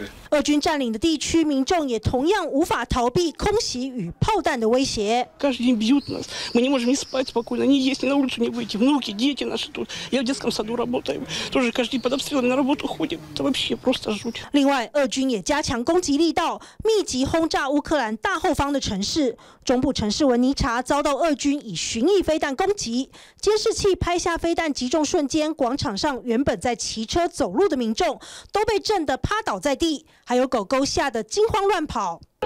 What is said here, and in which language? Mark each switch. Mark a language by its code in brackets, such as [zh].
[zh] 俄军占领的地区，民众也同样无法逃避空袭与炮弹的威胁。 [ru] Каждый день бьют нас, мы не можем не спать спокойно, не есть, ни на улицу не выйти. Внуки, дети наши тут. Я в детском саду работаю, тоже каждый день под обстрелами на работу ходим. Это вообще просто жуть. [zh] 另外，俄军也加强攻击力道，密集轰炸乌克兰大后方的城市，中部城市。文尼察遭到俄军以巡弋飞弹攻击，监视器拍下飞弹击中瞬间，广场上原本在骑车走路的民众都被震得趴倒在地，还有狗狗吓得惊慌乱跑。